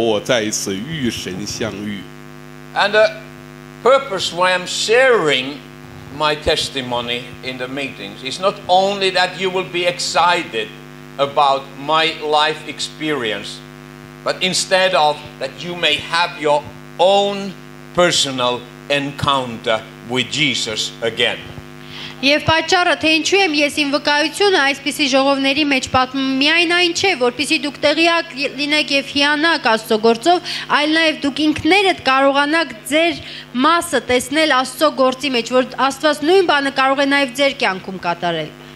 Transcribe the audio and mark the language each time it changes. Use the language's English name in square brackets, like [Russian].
[Chinese] Ո՞կերեն生命中的經歷,今天想要告訴弟兄姊妹,不是要你單單聽我的故事,我渴望你和我再一次與神相遇。 [English] And purpose why I'm sharing my testimony in the meetings is not only that you will be excited about my life experience, but instead of that you may have your own personal encounter with Jesus again. [Armenian] Եվ պատճառը, թե ինչու եմ ես իմ վկայությունը այսպիսի ժողովների մեջ պատմում, միայն այն չէ, որպեսզի դուք տեղյակ լինեք եւ հիանաք Աստծո գործով, այլ նաեւ դուք ինքներդ կարողանաք ձեր մասը տեսնել Աստծո գործի մեջ, որ Աստված նույն բանը կարող է նաեւ ձեր կյանքում կատարել։